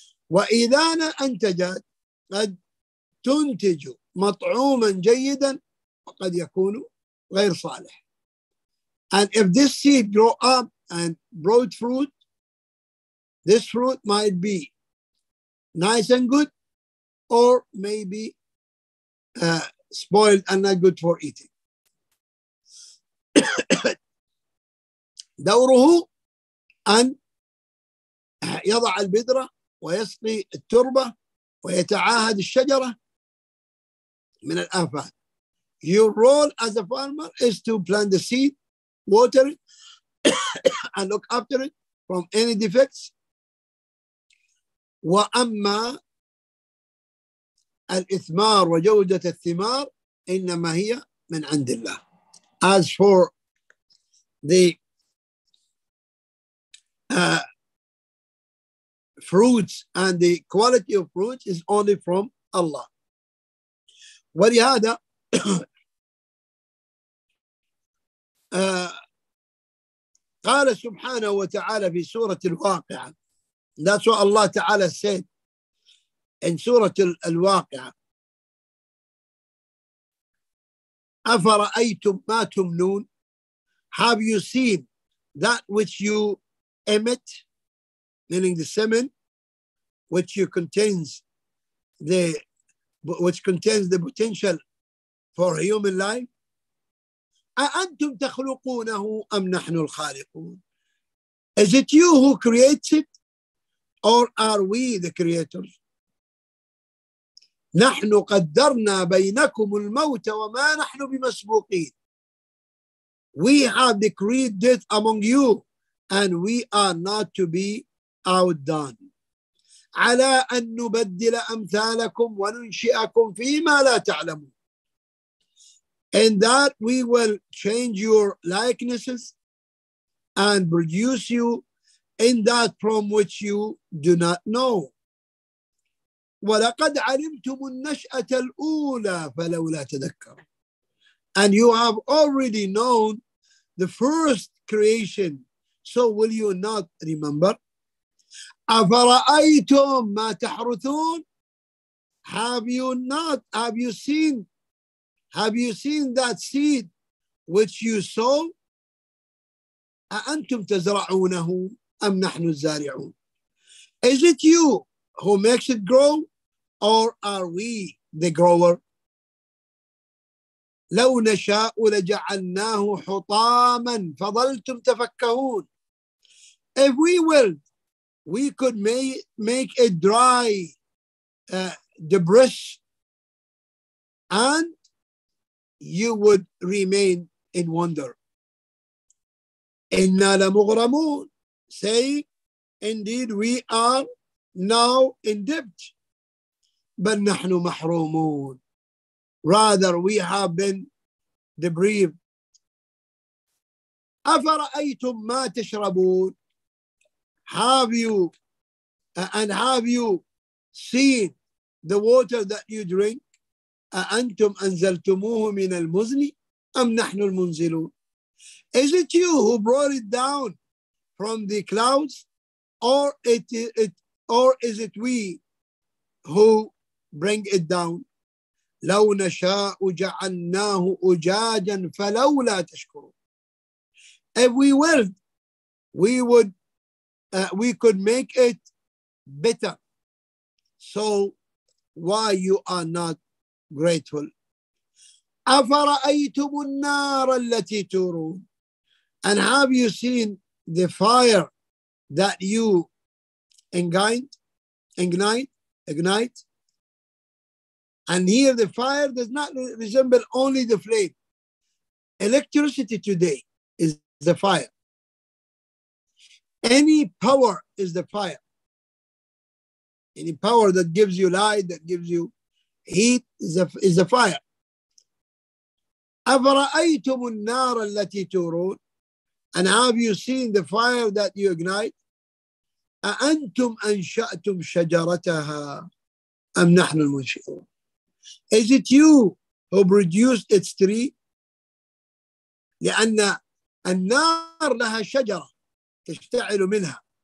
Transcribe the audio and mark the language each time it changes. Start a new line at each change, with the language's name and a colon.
Arabic: وإذا أنتجت قد تنتج مطعوما جيدا وقد يكون غير صالح.
English: And if this seed grow up and brought fruit, this fruit might be nice and good or maybe spoiled and not good for eating.
Arabic: دوره أن يضع البذرة ويسقي التربة ويتعاهد الشجرة من الآفات.
English: Your role as a farmer is to plant the seed, water it, and look after it from any defects.
Arabic: وأما الإثمار وجودة الثمار إنما هي من عند الله.
English: As for the fruits and the quality of fruits is only from Allah.
Arabic: ولهذا قال سبحانه وتعالى في سورة الواقعة,
English: that's what Allah تعالى said in
Arabic: سورة الواقعة, أفرأيتم ما تمنون,
English: have you seen that which you emit, meaning the semen, which you contains the which contains the potential for human life.
Arabic: أأنتم تخلقونه أم نحن الخالقون.
English: Is it you who creates it or are we the creators?
Arabic: نحن قدرنا بينكم الموت وما نحن بمسبوقين.
English: We have decreed death among you and we are not to be outdone.
Arabic: على أن نبدل أمثالكم وننشئكم فيما لا تعلمون.
English: In that we will change your likenesses and produce you in that from which you do not know.
Arabic: وَلَقَدْ عَلِمْتُمُ النَّشْأَةَ الْأُولَى فَلَوْلَا تَذَكَّرُ.
English: And you have already known the first creation, so will you not remember?
Arabic: أَفَرَأَيْتُمْ مَا تَحْرُثُونَ.
English: Have you seen that seed which you sow?
Arabic: أأنتم تزرعونه أم نحن الزارعون?
English: Is it you who makes it grow, or are we the grower?
Arabic: لو نشاء لجعلناه حطاما فظلتم تفكهون.
English: If we will, we could make a dry debris and you would remain in wonder.
Arabic: إنا لمغرمون.
English: Say, indeed we are now in debt.
Arabic: بل نحن محرومون.
English: Rather, we have been deprived.
Arabic: أفرأيتم ما تشربون.
English: Have you seen the water that you drink?
Arabic: أأنتم أنزلتموه من المزن أم نحن المنزلون؟
English: Is it you who brought it down from the clouds, or is it we who bring it down?
Arabic: لو نشاء جعلناه أجاجا فلولا تشكرون.
English: If we will, we could make it bitter. So why you are not grateful?
Arabic: أفرأيتم النار التي تورون.
English: And have you seen the fire that you ignite? And here the fire does not resemble only the flame. Electricity today is the fire. Any power that gives you light, that gives you heat, is a fire.
Arabic: أفرأيتم النار التي تورون.
English: And have you seen the fire that you ignite?
Arabic: أأنتم أنشأتم شجرتها أم نحن المنشئون؟
English: Is it you who produced its tree?
Arabic: لأن النار لها شجرة تشتعل منها.